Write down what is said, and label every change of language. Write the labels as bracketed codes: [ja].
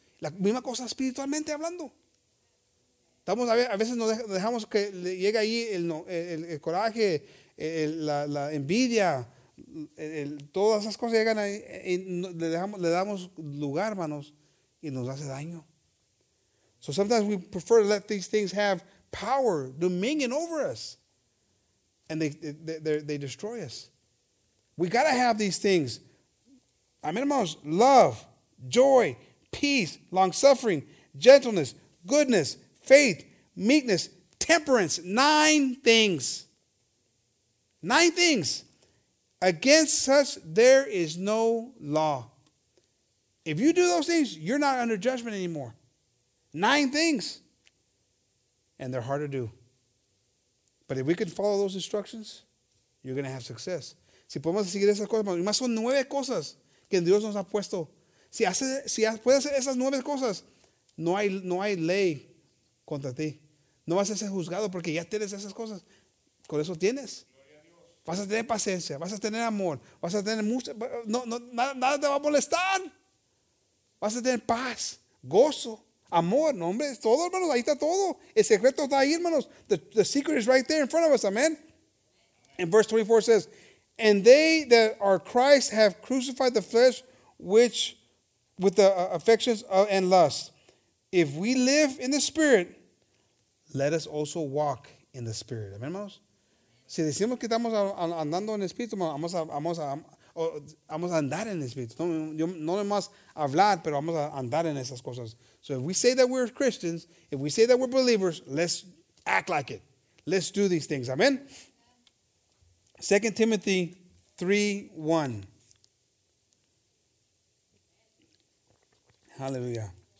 [es] La misma cosa espiritualmente hablando. A veces nos dejamos que le llegue ahí el coraje, la envidia. Todas esas cosas llegan ahí y le damos lugar, hermanos, y nos hace daño. [en] So sometimes we prefer to let these things have power, dominion over us, and they destroy us. We gotta have these things. I mean, hermanos, love, joy, peace, long suffering, gentleness, goodness, faith, meekness, temperance, 9 things. 9 things. Against such there is no law. If you do those things, you're not under judgment anymore. 9 things. And they're hard to do. But if we can follow those instructions, you're going to have success. [es] Si podemos seguir esas cosas, más son 9 cosas que Dios nos ha puesto. Si puedes hacer esas 9 cosas, no hay ley contra ti. No vas a ser juzgado porque ya tienes esas cosas. Con eso tienes. Vas a tener paciencia, vas a tener amor, vas a tener mucho, nada te va a molestar. Vas a tener paz, gozo, amor, no, hombre, todo, hermanos, ahí está todo. El secreto está ahí, hermanos. [en] The secret is right there in front of us, amen. And verse 24 says, and they that are Christ have crucified the flesh which with the affections and lust. If we live in the Spirit, let us also walk in the Spirit. [es] Amen, hermanos. Si decimos que estamos andando en el Espíritu, vamos a andar en el Espíritu. No nomás hablar, pero vamos a andar en esas cosas. [en] So if we say that we're Christians, if we say that we're believers, let's act like it. Let's do these things. Amen. 2 Timothy 3:1. Hallelujah.